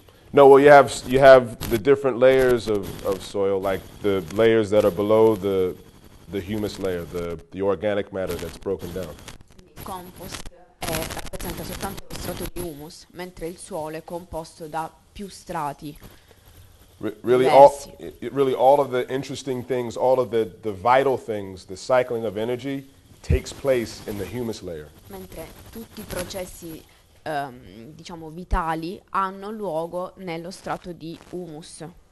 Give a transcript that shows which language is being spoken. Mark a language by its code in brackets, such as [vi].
[en] No, well, you have the different layers of soil, like the layers that are below the humus layer, the organic matter that's broken down. [it] Compost rappresenta soltanto lo strato di humus, mentre il suolo è composto da più strati. [en] Really, all of the interesting things, all of the vital things, the cycling of energy takes place in the humus layer. [it] Mentre tutti I processi diciamo vitali hanno luogo nello strato di humus.